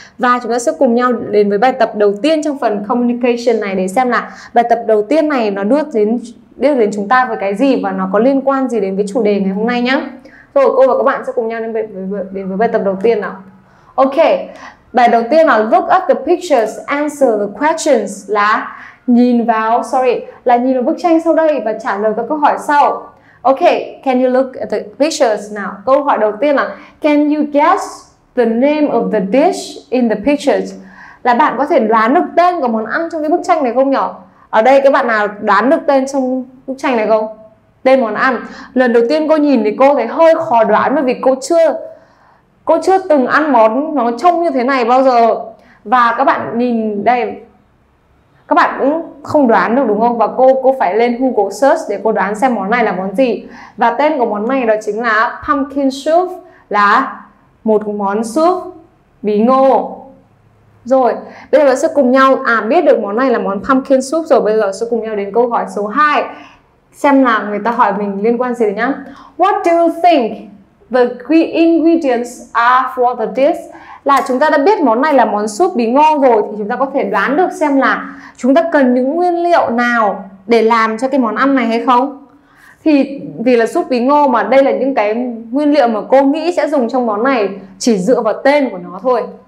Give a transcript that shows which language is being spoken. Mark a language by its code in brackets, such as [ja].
[vi] Và chúng ta sẽ cùng nhau đến với bài tập đầu tiên trong phần Communication này, để xem là bài tập đầu tiên này nó đưa đến chúng ta với cái gì và nó có liên quan gì đến với chủ đề ngày hôm nay nhá. Rồi, cô và các bạn sẽ cùng nhau đến với bài tập đầu tiên nào. Ok, bài đầu tiên là [en] Look up the pictures, answer the questions, [vi] là nhìn vào bức tranh sau đây và trả lời các câu hỏi sau. [en] Ok, can you look at the pictures now? [vi] Câu hỏi đầu tiên là [en] can you guess the name of the dish in the pictures? [vi] Là bạn có thể đoán được tên của món ăn trong cái bức tranh này không nhỉ? Ở đây các bạn nào đoán được tên trong bức tranh này không? Tên món ăn. Lần đầu tiên cô nhìn thì cô thấy hơi khó đoán bởi vì cô chưa từng ăn món nó trông như thế này bao giờ. Và các bạn nhìn đây, các bạn cũng không đoán được đúng không? Và cô phải lên Google Search để cô đoán xem món này là món gì. Và tên của món này đó chính là pumpkin soup, là một món soup bí ngô. Rồi, bây giờ sẽ cùng nhau biết được món này là món pumpkin soup rồi. Bây giờ sẽ cùng nhau đến câu hỏi số 2. Xem là người ta hỏi mình liên quan gì nhá. [en] What do you think the ingredients are for the dish? [vi] Là chúng ta đã biết món này là món soup bí ngô rồi, thì chúng ta có thể đoán được xem là chúng ta cần những nguyên liệu nào để làm cho cái món ăn này hay không? Thì vì là soup bí ngô mà đây là những cái nguyên liệu mà cô nghĩ sẽ dùng trong món này, chỉ dựa vào tên của nó thôi.